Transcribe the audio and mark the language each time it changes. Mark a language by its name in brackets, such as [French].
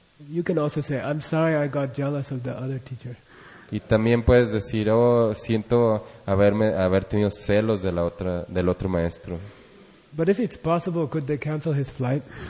[English] You can also say, "I'm sorry, I got jealous of the other teacher." [Spanish] Y también puedes decir, "Oh, siento haber tenido celos de la otra del otro maestro." [English] But if it's possible, could they cancel his flight?